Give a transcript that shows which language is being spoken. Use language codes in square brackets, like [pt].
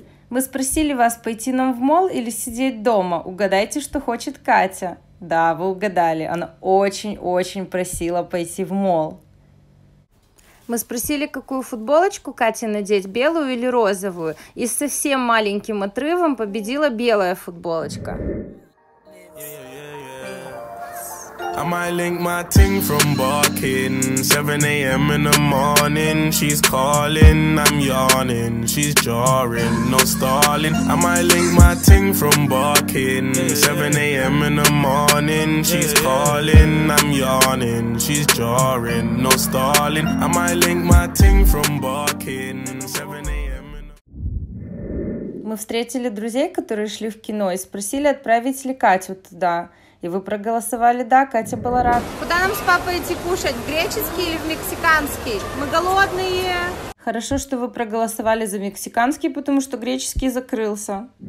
[ru] Мы спросили вас, пойти нам в молл или сидеть дома. Угадайте, что хочет Катя. Да, вы угадали. Она очень-очень просила пойти в молл. Мы спросили, какую футболочку Кате надеть, белую или розовую. И с совсем маленьким отрывом победила белая футболочка. [en] I might link my ting from barking. 7 a.m. in the morning. She's calling, I'm yawning. She's jarring, no stalling. I might link my ting from barking. 7 a.m. in the morning. She's calling, I'm yawning. She's jarring, no stalling. I might link my ting from barking. 7 a.m. in the... [ru] Мы встретили друзей, которые шли в кино, и спросили, отправить ли Катю туда. И вы проголосовали «да», Катя была рада. Куда нам с папой идти кушать, греческий или в мексиканский? Мы голодные. Хорошо, что вы проголосовали за мексиканский, потому что греческий закрылся.